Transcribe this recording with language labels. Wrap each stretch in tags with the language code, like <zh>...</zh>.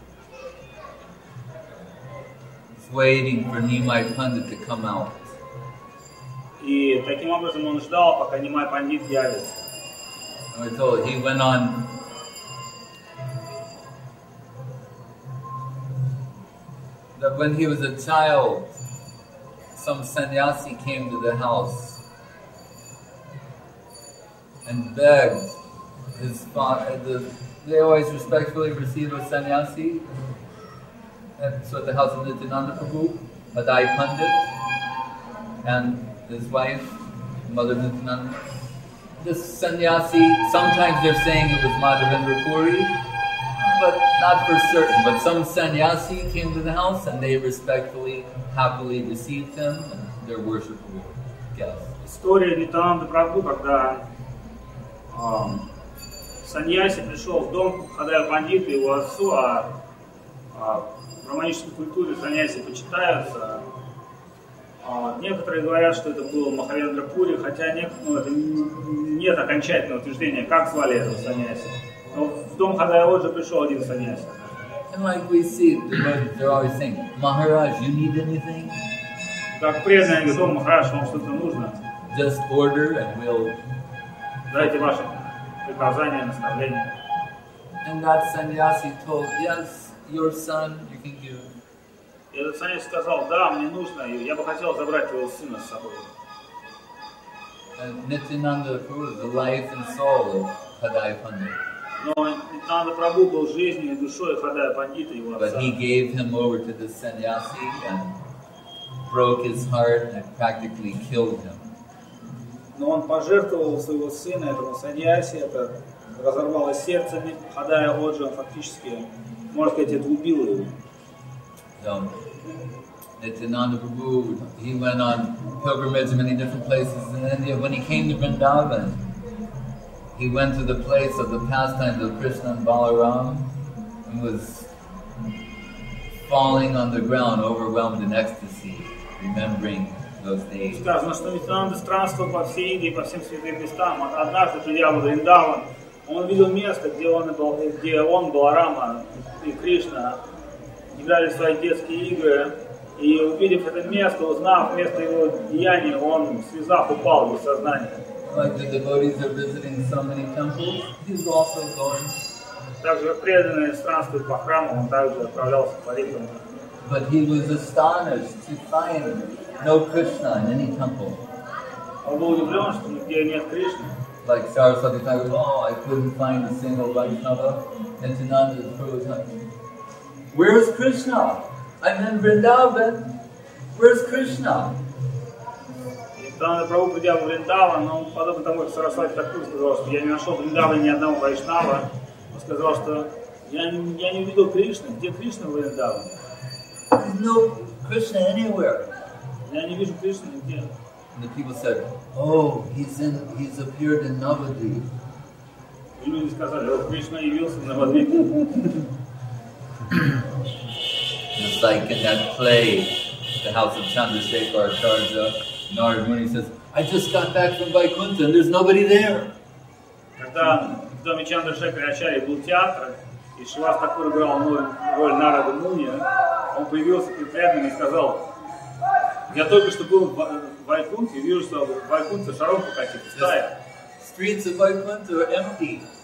<en>He's waiting for Nimai Pandit to come out.</en> <ru>И таким образом он ждал, пока Нимай Пандит явится.</ru> <en>I told him, he went on. That when he was a child, some sannyasi came to the house and begged his father. They always respectfully receive a sannyasi. And so at the house of Nityananda Prabhu, a Dai Pandit, and his wife, Mother Nityananda. This sannyasi, sometimes they're saying it was Madhavendra Puri, but not for certain. But some sannyasi came to the house and they respectfully, happily received him and their worshipful guests. The story of Nityananda Prabhu,</en> <ru>когда Саньяси пришел в дом Хадая Пандита его отцу, а в романической культуре саньяси почитаются. Некоторые говорят, что это был Махавендра Пури, хотя нет окончательного утверждения, как звали этого саньяси. Но в дом Хадая Оджа пришел один саньяси.</ru> <en>And like we see, they're always saying, Maharaj, you need anything?</en> <ru>Как преданный дом, Махарадж, вам что-то нужно?</ru> <en>Just order and we'll...</en> <ru>Дайте ваше приказание, наставление.</ru> <en>And that sannyasi told, yes, your son, you can give.</en> <ru>И этот sannyasi сказал, да, мне нужно, я бы хотел забрать его сына с собой.</ru> <en>Nityananda Prabhu, the life and soul of Padai Pandit.</en> <ru>Но Нитянанда Прабху был жизнью и душой Хадая Пандита, его отца.</ru> <en>But he gave him over to the sannyasi and broke his heart and practically killed him.</en> <ru>Но он пожертвовал своего сына этому саньяси, это разорвало сердце Хадая Оджи, он фактически, можно сказать, это убил его.</ru> <en>So, Nityananda Prabhu, he went on pilgrimage in many different places in India. When he came to Vrindavan, he went to the place of the pastimes of Krishna and Balaram and was falling on the ground, overwhelmed in ecstasy, remembering those days.</en> <ru>Сказано, что Нитянанда странствовал по всей Индии, по всем святым местам. Однажды, придя в Вриндаван, он видел место, где он, Баларама и Кришна играли свои детские игры. И увидев это место, узнав место его деяния, он, связав, упал без сознания.</ru> <en>Like the devotees are visiting so many temples, he's also going.</en> <ru>Также преданные странствуют по храмам, он также отправлялся по ритмам.</ru> <en>But he was astonished to find no Krishna in any temple.</en> <ru>Он был удивлен, что нигде нет Кришны.</ru> <en>Like Saraswati Thakur, oh, I couldn't find a single Vaishnava. And Nityananda Prabhu was like, where's Krishna? I'm in Vrindavan. Where's Krishna?</en> <ru>Нитянанда Прабху придя в Вриндаван, но подобно тому, как Сарасвати Такур сказал, что я не нашел в Вриндаване ни одного вайшнава, он сказал, что я не увидел Кришны. Где Кришна в Вриндаване?</ru> <en>No Krishna anywhere.</en> <ru>Я не вижу Кришны нигде.</ru> <en>And the people said, oh, he's appeared in Navadvip.</en> <ru>И люди сказали, о, Кришна явился в Навадвипе.</ru> <en>It's like in that play, the house of Chandrasekhar Acharya. Narad Muni says, I just got back from Vaikuntha and there's nobody there.</en> <ru>Когда в доме Чандрашекара Ачарьи был театр, и Шивас Такур играл роль Нарада Муни, он появился перед преданными и сказал, я только что был в Вайкунте и вижу, что в Вайкунте шаровка какие-то пустая.</ru> <en>Streets of Vaikuntha are empty.</en>